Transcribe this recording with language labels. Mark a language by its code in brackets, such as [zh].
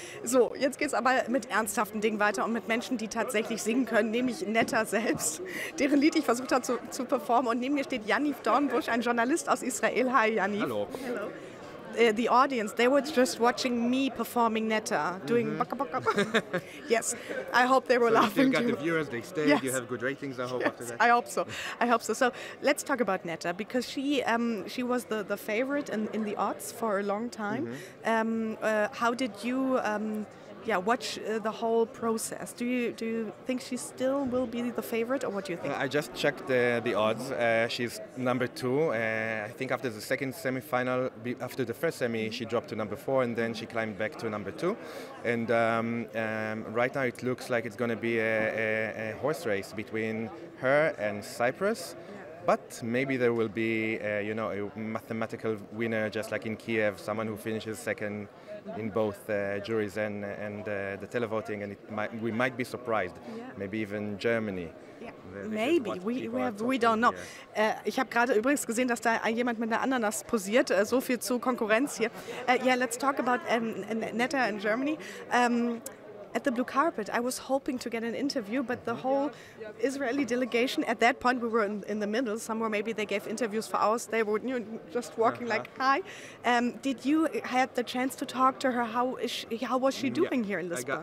[de] So, jetzt geht es aber mit ernsthaften Dingen weiter und mit Menschen, die tatsächlich singen können, nämlich Netta selbst, deren Lied ich versucht habe zu performen. Und neben mir steht Yaniv Dornbusch, ein Journalist aus Israel. Hi, Yaniv. Hallo. [en] The audience, they were just watching me performing Netta, doing baka baka baka. Yes, I hope they were so laughing too. You got the viewers, they stayed, yes. You have good ratings, I hope, yes, after that. I hope so, I hope so. So let's talk about Netta, because she was the favorite in the odds for a long time. Mm-hmm. How did you watch the whole process? Do you think she still will be the favorite, or what do you think? I just checked the odds. She's number two. I think after the second semi-final, after the first semi, she dropped to number four, and then she climbed back to number two. And right now it looks like it's going to be a horse race between her and Cyprus. But maybe there will be a mathematical winner, just like in Kiev, someone who finishes second in both juries and the televoting, and we might be surprised. Yeah. Maybe even Germany. Yeah. Maybe, we don't know. [de] Ich habe gerade übrigens gesehen, dass da jemand mit einer Ananas posiert, so viel zu Konkurrenz hier. [en] Let's talk about Netta in Germany. At the blue carpet, I was hoping to get an interview, but the whole Israeli delegation, at that point, we were in the middle, somewhere maybe they gave interviews for hours, they were just walking like, hi. Did you have the chance to talk to her? How was she doing here in Lisbon?